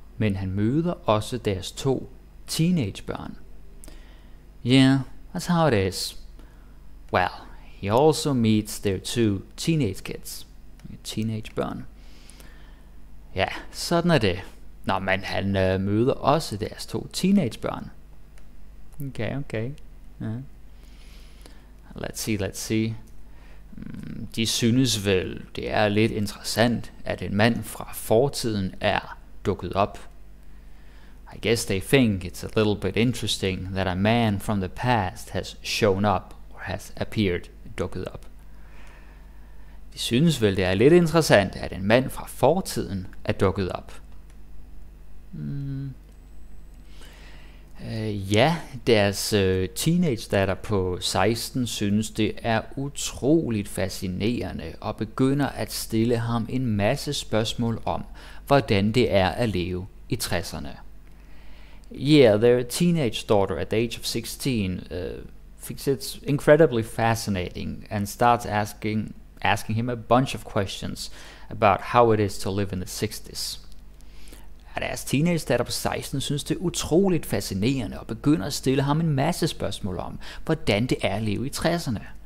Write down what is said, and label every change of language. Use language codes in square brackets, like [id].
[da] men han møder også deres to teenagebørn. [en] Yeah, that's how it is. Well, he also meets their two teenage kids. [da] Teenagebørn. Ja, sådan er det. Nå, men han møder også deres to teenagebørn. [en] Okay. Yeah. Let's see. [da] De synes vel, det er lidt interessant, at en mand fra fortiden er dukket op. [en] I guess they think it's a little bit interesting that a man from the past has shown up or has appeared, [da] dukket op. De synes vel, det er lidt interessant, at en mand fra fortiden er dukket op. Ja, deres teenage-datter på 16 synes, det er utroligt fascinerende og begynder at stille ham en masse spørgsmål om, hvordan det er at leve i 60'erne. [en] Yeah, their teenage daughter at the age of 16 thinks it's incredibly fascinating and starts asking him a bunch of questions about how it is to live in the 60s. [da] At deres teenage-datter på 16 synes det er utroligt fascinerende og begynder at stille ham en masse spørgsmål om, hvordan det er at leve i 60'erne.